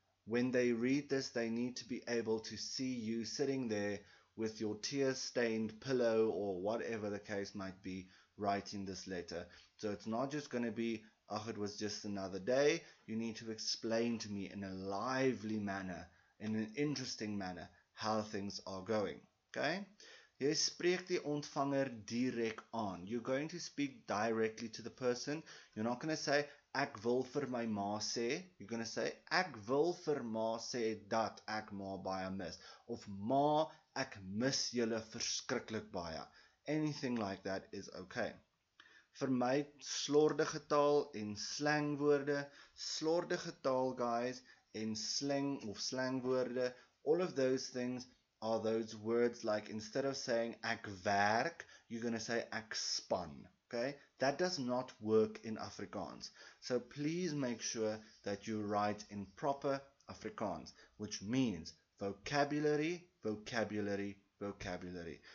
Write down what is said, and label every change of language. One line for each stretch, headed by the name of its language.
English: When they read this, they need to be able to see you sitting there with your tear-stained pillow or whatever the case might be, writing this letter. So it's not just going to be, oh, it was just another day. You need to explain to me in a lively manner, in an interesting manner, how things are going. Okay?
Afrikaans: Jy spreek die ontvanger direk aan.
English: You're going to speak directly to the person. You're not going to say,
Afrikaans: ek wil vir my ma sê.
English: You're going to say,
Afrikaans: ek wil vir ma sê dat ek ma baie mis. Of ma, ek mis julle verskriklik baie.
English: Anything like that is okay.
Afrikaans: Vermy slordige taal en slangwoorde. Slordige taal, guys, en slang of slangwoorde.
English: All of those things are those words like, instead of saying
Afrikaans: ek werk,
English: you're going to say
Afrikaans: ek span.
English: Okay? That does not work in Afrikaans. So please make sure that you write in proper Afrikaans, which means vocabulary, vocabulary, vocabulary.